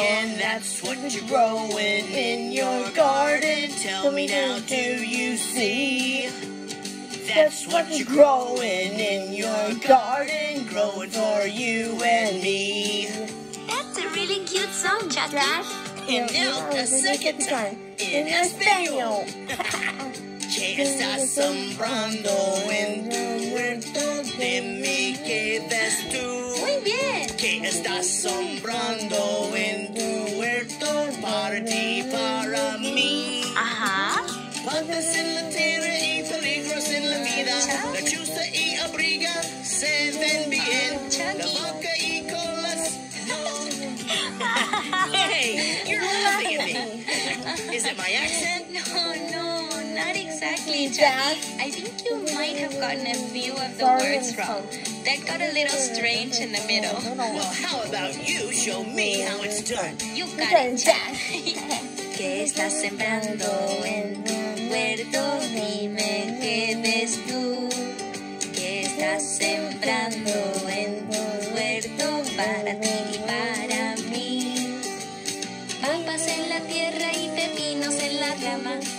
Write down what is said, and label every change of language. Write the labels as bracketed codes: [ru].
[en] And that's what you're growing in your garden. Tell me now, do you see? That's what you're growing in your garden. Growing for you and me. That's a really cute song, Chucky. And now the second time in Espanol. [es] Que está sembrando en tu huerto, dime que ves tú. Muy bien. Que está sembrando en tu huerto, para ti, para mí. Ajá. Patas en la tierra y peligros en la vida. La chusta y abriga se ven bien. La boca y colas. [en] Hey, you're laughing at me. Is it my accent? No. Not exactly, Jack. I think you might have gotten a few of the words wrong. That got a little strange in the middle. Well, how about you show me how it's done? You got it, Jack. [es] ¿Qué estás sembrando en tu huerto? Dime qué ves tú. ¿Qué estás sembrando en tu huerto? Para ti y para mí. Papas en la tierra y pepinos en la rama.